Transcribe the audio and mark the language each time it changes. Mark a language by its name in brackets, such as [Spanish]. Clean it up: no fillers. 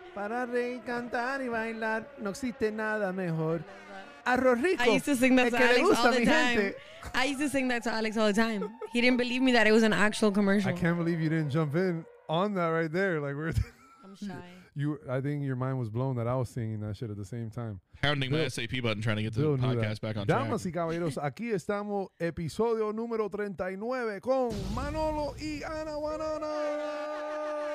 [Spanish] Para reír, cantar y bailar. No existe nada mejor. Arroz rico. [English] I used to sing that to Alex all the time. I used to sing that to Alex all the time. He didn't believe me that it was an actual commercial. I can't believe you didn't jump in on that right there. Like we're. I'm shy. I think your mind was blown that I was singing that shit at the same time. Pounding my SAP button trying to get the podcast back on track. [Spanish] Damas y caballeros, aquí estamos, episodio número 39 con Manolo y Ana Banana.